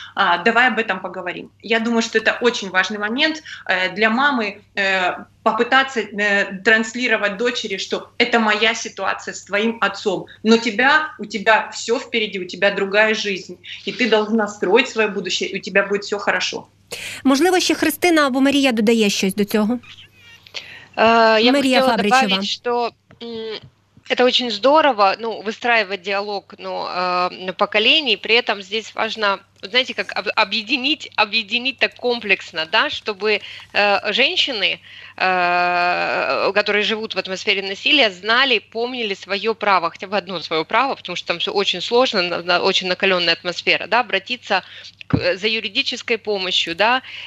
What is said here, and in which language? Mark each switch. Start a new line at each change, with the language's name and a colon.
Russian: Давай об этом поговорим. Я думаю, что это очень важный момент для мамы попытаться транслировать дочери, что это моя ситуация с твоим отцом, но у тебя все впереди, у тебя другая жизнь, и ты должна строить свое будущее, и у тебя будет все хорошо.
Ukrainian: Можливо, еще Христина або Мария додає щось до цього?
Russian: Мария Фабричева. Я хотела добавить, что... Это очень здорово, выстраивать диалог поколений, при этом здесь важно, знаете, как объединить так комплексно, да, чтобы женщины, которые живут в атмосфере насилия, знали, помнили свое право, хотя бы одно свое право, потому что там все очень сложно, очень накаленная атмосфера, да, обратиться за юридической помощью, да,